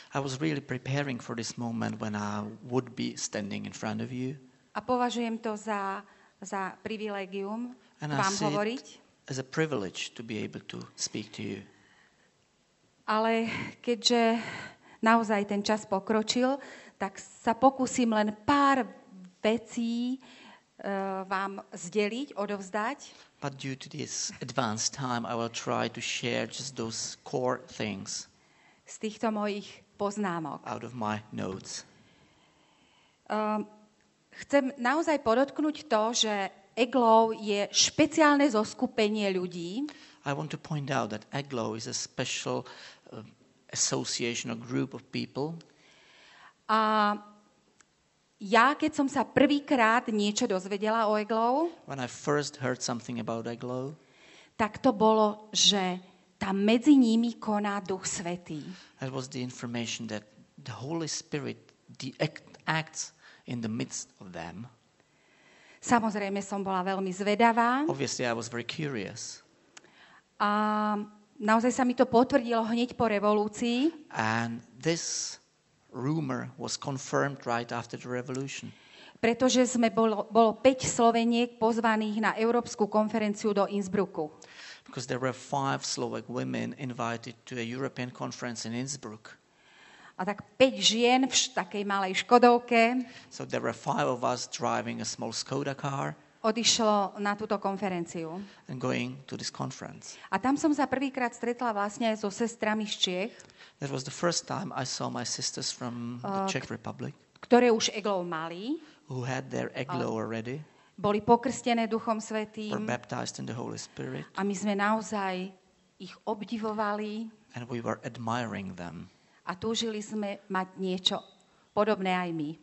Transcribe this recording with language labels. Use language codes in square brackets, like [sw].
[en] I was really preparing for this moment when I would be standing in front of you. [sk] A považujem to za privilégium vám hovoriť. [en] as a privilege to be able to speak to you. [sk] Ale keďže naozaj ten čas pokročil, tak sa pokúsim len pár vecí vám zdeliť, odovzdať. [en] But due to this advanced time, I will try to share just those core things. [sk] Z týchto mojich poznámok. [en] Out of my notes. [sk] Chcem naozaj podotknúť to, že EGLOW je špeciálne zoskupenie ľudí. [en] I want to point out that EGLOW is a special association or group of people. [sk] A ja, keď som sa prvýkrát niečo dozvedela o EGLOW, [en] when I first heard something about EGLOW, [sk] tak to bolo, že tam medzi nimi koná Duch Svätý. [en] That was the information that the Holy Spirit acts in the midst of them. [sk] Samozrejme, som bola veľmi zvedavá. [en] Obviously, I was very curious. [sk] A naozaj sa mi to potvrdilo hneď po revolúcii. [en] And this rumor was confirmed right after the revolution. [sk] Pretože sme bolo 5 Sloveniek pozvaných na Európsku konferenciu do Innsbrucku. [en] Because there were 5 Slovak women invited to a European conference in Innsbruck. [sk] A tak 5 žien v takej malej škodovke. [en] So there were 5 of us driving a small Skoda car. [sk] Odišlo na túto konferenciu. [en] And going to this conference. [sk] A tam som sa prvýkrát stretla vlastne aj so sestrami z Čech. [en] That was the first time I saw my sisters from the Czech Republic. [sk] Ktoré už EGLOW mali. [en] Who had their EGLOW already. [sk] Boli pokrstené Duchom Svätým. [en] Were baptized in the Holy Spirit. [sk] A my sme naozaj ich obdivovali. [en] And we were admiring them. [sk] A túžili sme mať niečo podobné aj my.